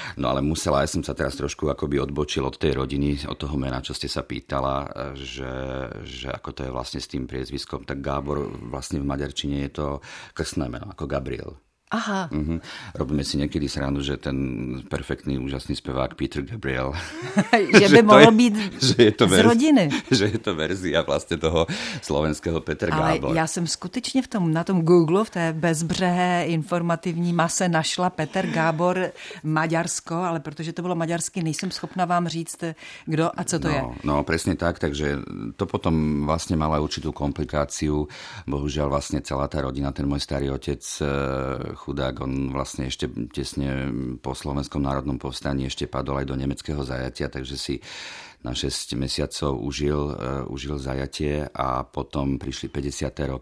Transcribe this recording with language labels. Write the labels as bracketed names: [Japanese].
[Slovak] No ale musela, ja som sa teraz trošku akoby odbočil od tej rodiny, od toho mena, čo ste sa pýtala, že ako to je vlastne s tým priezviskom. Tak Gábor vlastne v maďarčine je to krstné meno, ako Gabriel. Aha. Uh-huh. Robíme si niekedy srandu, že ten perfektný, úžasný spevák Peter Gabriel. Že by mohol byť z rodiny. Že je to verzia vlastne toho slovenského Peter Gábor. [Czech] Ale ja som skutečne v tom, na tom Google, v té bezbřehé informativní mase našla Peter Gábor Maďarsko, ale protože [Slovak] to bolo maďarsky, [Czech] nejsem schopná vám říct, kdo a co to no, je. [Slovak] No, presne tak, takže to potom vlastne mala určitú komplikáciu. Bohužiaľ vlastne celá tá rodina, ten môj starý otec, chudák, on vlastne ešte tesne po Slovenskom národnom povstaní ešte padol aj do nemeckého zajatia, takže si na 6 mesiacov užil zajatie a potom prišli 50.